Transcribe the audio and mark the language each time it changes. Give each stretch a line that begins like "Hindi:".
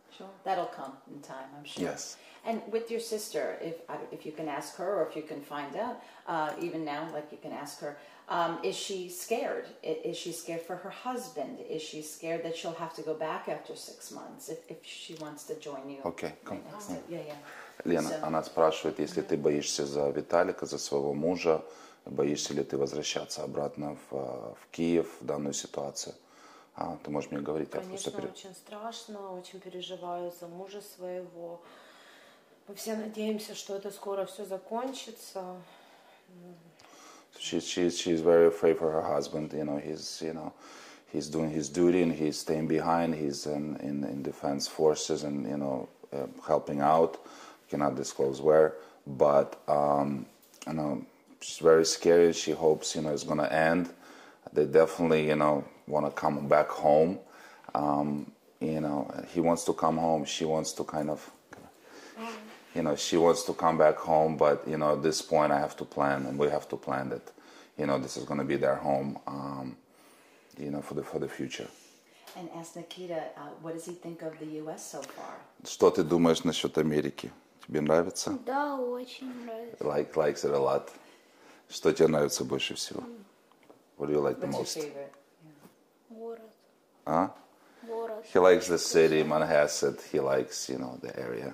English: Sure, that'll come in time, I'm sure. Yes. And with your sister, if you can ask her, or if you can find out, even now, like you can ask her, is she scared? Is she scared for her husband? Is she scared that she'll have to go back after 6 months if she wants to join you? Okay, right, come. Next time. Yeah.
Russian: Лена, so, она спрашивает, если ты боишься за Виталика, за своего мужа. Боишься ли ты возвращаться обратно в Киев, в данную ситуацию? Ты можешь мне говорить? Конечно, я просто очень страшно, очень переживаю за мужа своего. Мы все надеемся, что это скоро все закончится.
English: She's very afraid for her husband. You know, he's doing his duty and he's staying behind. He's in defense forces and, you know, helping out. Cannot disclose where, but, you know, she's very scary. She hopes, you know, it's going to end. They definitely, you know, want to come back home. You know, he wants to come home. She wants to kind of, you know, she wants to come back home. But, you know, at this point, I have to plan and we have to plan that, you know, this is going to be their home, you know, for the future. And ask Nikita, what does he think of the U.S. so far?
Russian: Что ты думаешь насчет Америки? Тебе нравится? Да, очень нравится.
English: Likes it a lot.
Russian: Что тебе нравится больше всего?
English: What do you like the most?
Russian: Город. А? Город.
English: He likes the city, Manhasset. He likes, you know, the area.